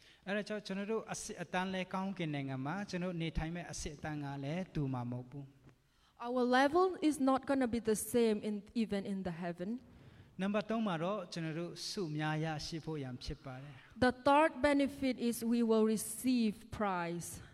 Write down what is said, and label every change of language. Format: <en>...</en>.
<my>အဲ့တော့ကျွန်တော်တို့အစ်စ်အတန်းလဲကောင်းကင်နိုင်ငံမှာကျွန်တော်တို့နေထိုင်မဲ့အစ်စ်အတန်းကလည်းတူမှာမဟုတ်ဘူး</my> <en>Our level is not going to be the same in even in the heaven</en> <my>နံပါတ်3မှာတော့ကျွန်တော်တို့စုများရရှိဖို့ရန်ဖြစ်ပါတယ်</my> <en>The third benefit is we will receive prize</en>